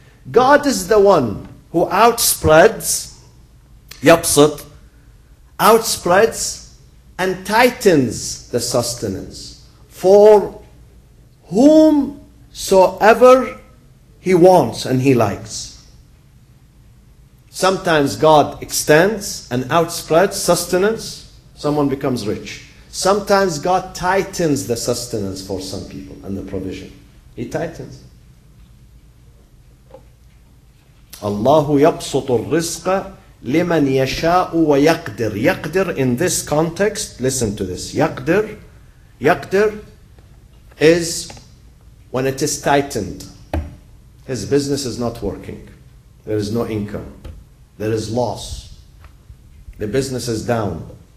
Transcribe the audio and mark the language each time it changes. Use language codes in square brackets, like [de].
[en] God is the one who outspreads, yapsut, outspreads and tightens the sustenance for whomsoever He wants and He likes. Sometimes God extends and outspreads sustenance, someone becomes rich. Sometimes God tightens the sustenance for some people and the provision. He tightens. [ar] Allah يبسط الرزق لمن يشاء ويقدر. [en] يقدر in this context, listen to this. يقدر, يقدر is when it is tightened. His business is not working. There is no income. There is loss. The business is down.